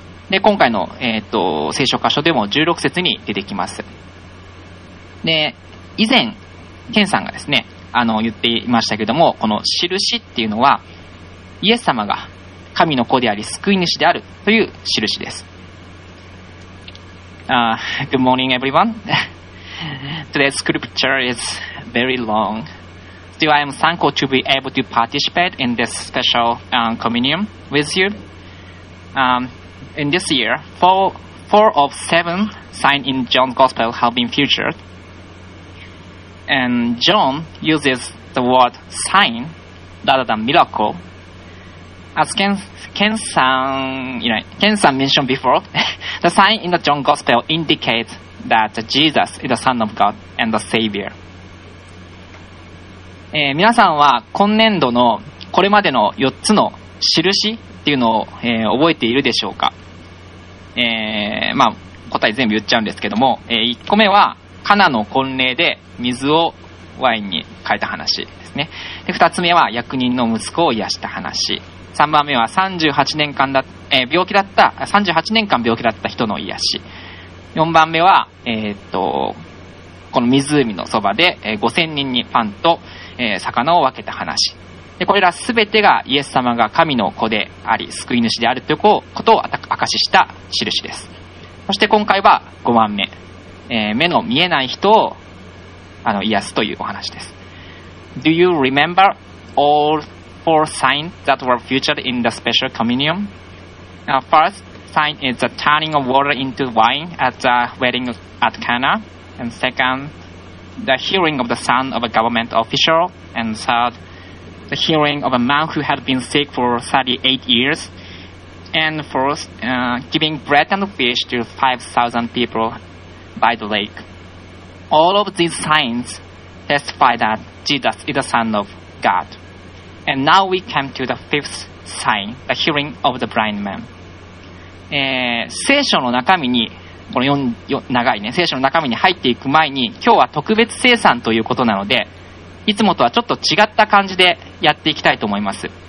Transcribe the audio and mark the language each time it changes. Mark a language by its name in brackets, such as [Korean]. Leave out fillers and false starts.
[Japanese] で、今回の、聖書箇所でも16節に出てきます。で、以前ケンさんがですね、言っていましたけども、この印っていうのはイエス様が神の子であり救い主であるという印です。 [English] Good morning everyone. Today's scripture is very longStill, I am thankful to be able to participate in this special, communion with you. In this year, four of seven signs in John's Gospel have been featured. And John uses the word sign rather than miracle. As Ken-san mentioned before, the sign in the John Gospel indicates that Jesus is the Son of God and the Savior. [Japanese] 皆さんは今年度のこれまでの4つの印っていうのを、覚えているでしょうか。答え全部言っちゃうんですけども、1個目はカナの婚礼で水をワインに変えた話ですね。で、2つ目は役人の息子を癒した話。3番目は38年間病気だった人の癒し。 4番目は、この湖のそばで、5000人にパンと魚を分けた話。で、これらすべてがイエス様が神の子であり救い主であるということを証しした印です。そして今回は5番目、目の見えない人を癒すというお話です。 [English] Do you remember all four signs that were featured in the special communion? First sign is the turning of water into wine at the wedding at Cana, and secondThe healing of the son of a government official, and third, the healing of a man who had been sick for 38 years, and fourth, giving bread and fish to 5,000 people by the lake. All of these signs testify that Jesus is the Son of God. And now we come to the fifth sign, the healing of the blind man. [Japanese] 聖書の中身にこの長いね、聖書の中身に入っていく前に、今日は特別生産ということなので、いつもとはちょっと違った感じでやっていきたいと思います。